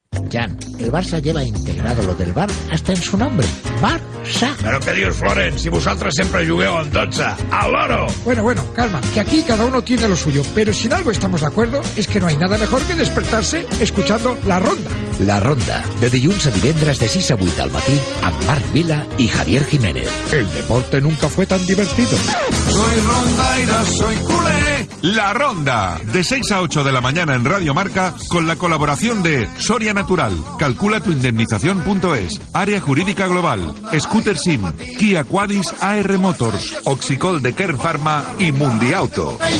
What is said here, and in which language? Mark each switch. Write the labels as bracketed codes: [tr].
[es] Jan, el Barça lleva integrado lo del bar hasta en su nombre. Barça. Pero qué dios, Florent, si vosotros siempre jugueu en 12, al oro. Bueno, bueno, calma, que aquí cada uno tiene lo suyo. Pero si en algo estamos de acuerdo, es que no hay nada mejor que despertarse escuchando La Ronda. [ca] La Ronda, de dilluns a divendres de 6 a 8 del matí, amb Marc Vila i Javier Jiménez. [es] El deporte nunca fue tan divertido. Soy rondaira, soy culé. La Ronda, de 6 a 8 de la mañana en Radio Marca, con la colaboración de Soria Natural, calculatuindemnización.es, Área Jurídica Global, Scooter Sim, Kia Quadis AR Motors, Oxicol de Kern Pharma y Mundi Auto.